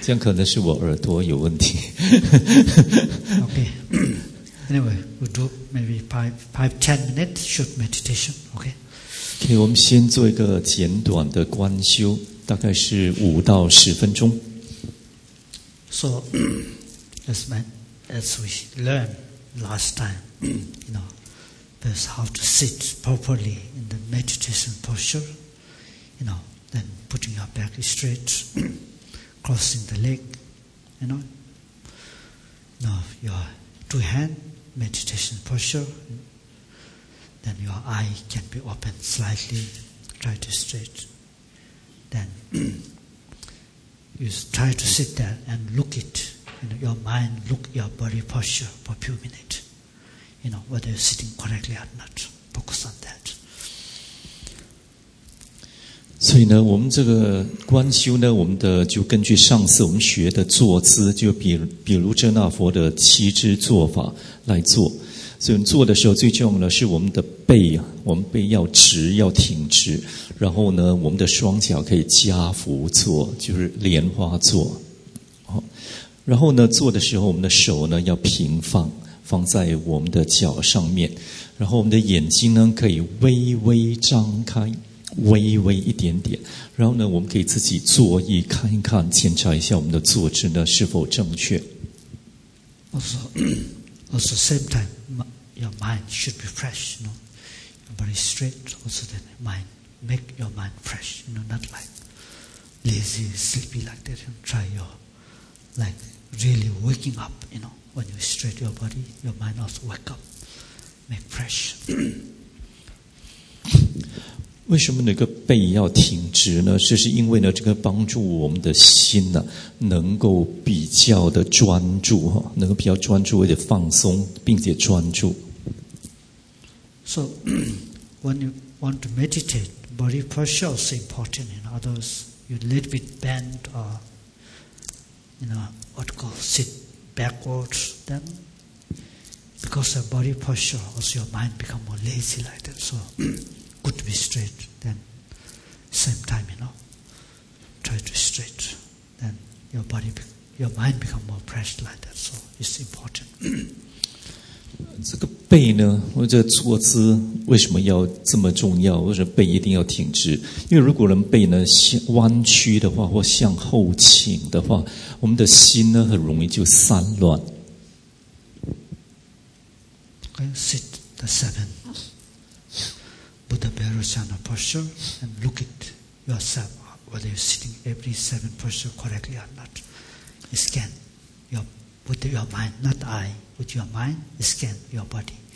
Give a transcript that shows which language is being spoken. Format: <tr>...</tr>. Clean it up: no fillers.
<zh>这样可能是我耳朵有问题。</zh> <en>Okay. Anyway, we do maybe five, ten minutes short meditation. Okay.</en> <zh>Okay, 我们先做一个简短的观修，大概是五到十分钟。</zh> <en>So, as we learned last time, you know, there's how to sit properly in the meditation posture. You know, then putting your back straight. Crossing the leg, you know. Now your two hand meditation posture. Then your eye can be open slightly, try to stretch. Then you try to sit there and look it. You know, your mind look your body posture for a few minutes. You know whether you're sitting correctly or not. Focus on that.</en> <zh>所以呢，我们这个观修呢，我们的就根据上次我们学的坐姿，就比如遮那佛的七支坐法来做。所以我们做的时候，最重要的是我们的背，我们背要直，要挺直。然后呢，我们的双脚可以加扶坐，就是莲花坐。然后呢，做的时候，我们的手呢要平放，放在我们的脚上面。然后我们的眼睛呢，可以微微张开。微微一点点，然后呢，我们可以自己坐意看一看，检查一下我们的坐姿呢是否正确。</zh> <en>Also, same time, your mind should be fresh. You know, very straight also the mind. Make your mind fresh, you know, not like lazy, sleepy like that. And try your, like, really waking up, you know. When you straight your body, your mind also wake up, make fresh.</en> <zh>为什么那个背要挺直呢？这是因为呢，这个帮助我们的心呢、啊，能够比较的专注哈，能够比较专注，而且放松，并且专注。</zh> <en>So when you want to meditate, body posture is important. In others, you a little bit bend or you know what call sit backwards. Then because the body posture, also your mind become more lazy like that. So good to be straight. Then same time, you know, try to straight. Then your body, your mind become more fresh like that. So it's important.</en> <zh>这个背呢，或者坐姿为什么要这么重要？为什么背一定要挺直？因为如果人背呢弯曲的话，或向后倾的话，我们的心呢很容易就散乱。</zh> <en>Sit the seven Buddha Parasana posture and look at yourself whether you're sitting every seven posture correctly or not. Scan with your mind, not I. With your mind, scan your body.</en>